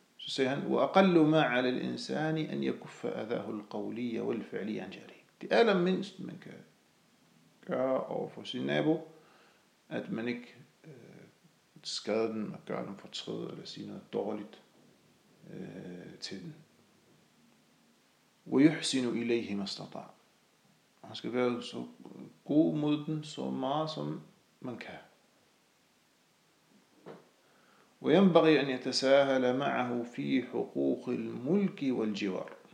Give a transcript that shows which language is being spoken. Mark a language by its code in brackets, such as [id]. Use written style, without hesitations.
[da] Så sagde han, [ar] وَأَقَلُّ مَا عَلَى الْإِنسَانِ أَنْ يَكُفَّ أَذَاهُ الْقَوْلِيَّ وَالْفِعْلِيَ عَنْ جَارِهِ. [da] Det allermindst, man kan gøre over for sin nabo, at man ikke skader den og gør dem fortræd eller siger noget dårligt til den. [ar] وَيُحْسِنُ إِلَيْهِ مَا اسْتَطَعَ. [da] Han skal være så god mod den, så meget som man kan. [ar] وينبغي أن يتساهل معه في حقوق الملك والجوار.